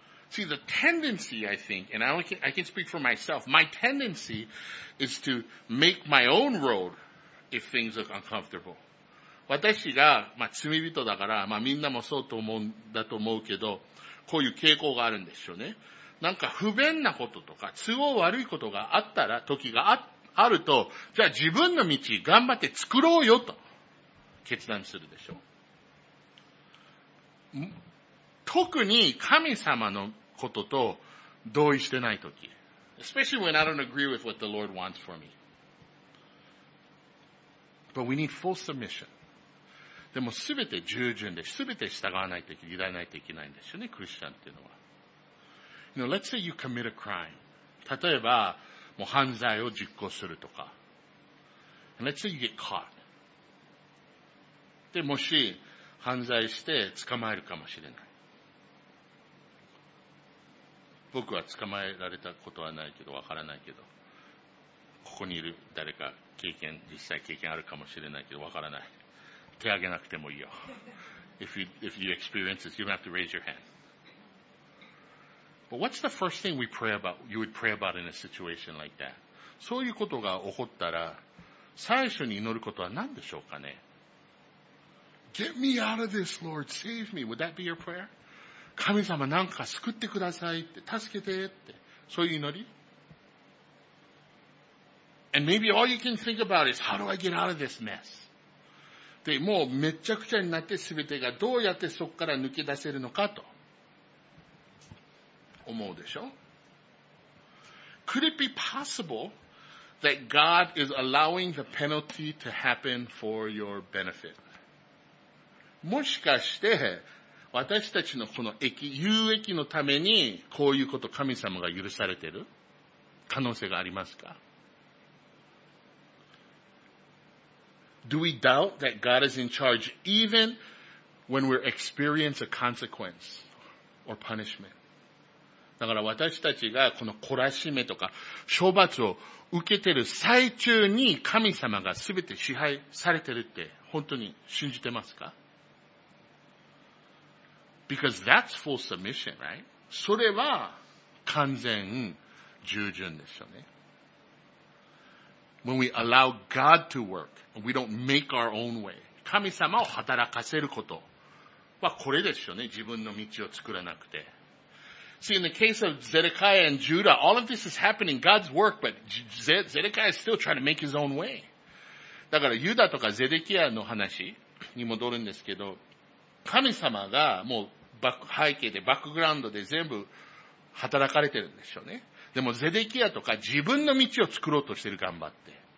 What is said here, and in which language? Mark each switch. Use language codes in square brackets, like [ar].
[en] See, the tendency, I think, and I can speak for myself, my tendency is to make my own road if things look uncomfortable. [ja] 私が、まあ、罪人だから、まあ、みんなもそうと思うんだと思うけど、こういう傾向があるんでしょうね。なんか不便なこととか、都合悪いことがあったら、時があると、じゃあ自分の道頑張って作ろうよと。決断するでしょ。特に神様のことと同意してないとき。 [en] Especially when I don't agree with what the Lord wants for me. But we need full submission. [ja] でもすべて従順で、すべて従わないといけない、委ねないといけないんですよね、クリスチャンっていうのは。 [en] You know, let's say you commit a crime. [ja] 例えば、もう犯罪を実行するとか。 [en] And let's say you get caught. [ja] で、もし、犯罪して捕まえるかもしれない。僕は捕まえられたことはないけど、わからないけど、ここにいる誰か経験、実際経験あるかもしれないけど、わからない。手挙げなくてもいいよ。 [en] if you experience this, you don't have to raise your hand. But what's the first thing we pray about, you would pray about in a situation like that? [ja] そういうことが起こったら、最初に祈ることは何でしょうかね？ [en] Get me out of this, Lord. Save me. Would that be your prayer? [ja] 神様なんか救ってくださいって、助けてって、そういう祈り? [en] And maybe all you can think about is, how do I get out of this mess? [ja] で、もうめちゃくちゃになって全てがどうやってそこから抜け出せるのかと思うでしょ? [en] Could it be possible that God is allowing the penalty to happen for your benefit? [ja] もしかして、私たちのこの有益のために、こういうこと神様が許されている可能性がありますか ? [en] Do we doubt that God is in charge even when we experience a consequence or punishment? [ja] だから私たちがこの懲らしめとか処罰を受けている最中に神様が全て支配されているって本当に信じてますか? [en] Because that's full submission, right? [ja] それは完全従順ですよね。 [en] When we allow God to work, we don't make our own way. [ja] 神様を働かせることはこれですよね。自分の道を作らなくて。 [en] See, in the case of Zedekiah and Judah, all of this is happening God's work, but Zedekiah is still trying to make his own way. [ja] だからユダとかゼデキアの話に戻るんですけど、神様がもう背景でバックグラウンドで全部働かれてるんでしょうね。でもゼデキアとか自分の道を作ろうとしてる頑張って。